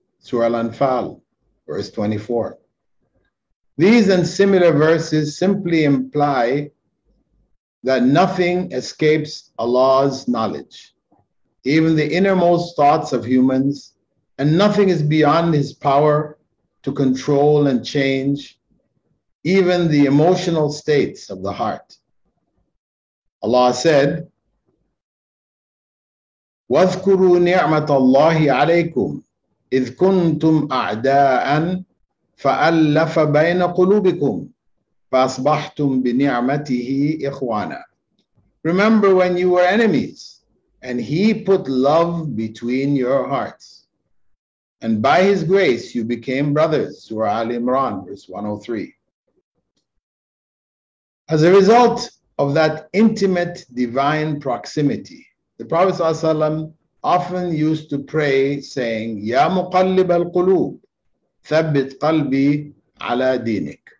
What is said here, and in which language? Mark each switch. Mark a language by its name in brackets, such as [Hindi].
[English] Surah Al-Anfal, verse 24. These and similar verses simply imply that nothing escapes Allah's knowledge, even the innermost thoughts of humans, and nothing is beyond his power to control and change, even the emotional states of the heart. Allah said, [Arabic] وَاذْكُرُوا نِعْمَةَ اللَّهِ عَلَيْكُمْ إِذْ كُنْتُمْ أَعْدَاءً فَأَلَّفَ بَيْنَ قُلُوبِكُمْ فَأَصْبَحْتُمْ بِنِعْمَتِهِ إِخْوَانًا. [English] Remember when you were enemies and he put love between your hearts, and by his grace you became brothers. Surah Ali Imran, verse 103. As a result of that intimate divine proximity, the Prophet ﷺ often used to pray saying, [Arabic] Ya muqallib al-qulub, thabbit qalbi ala dinik.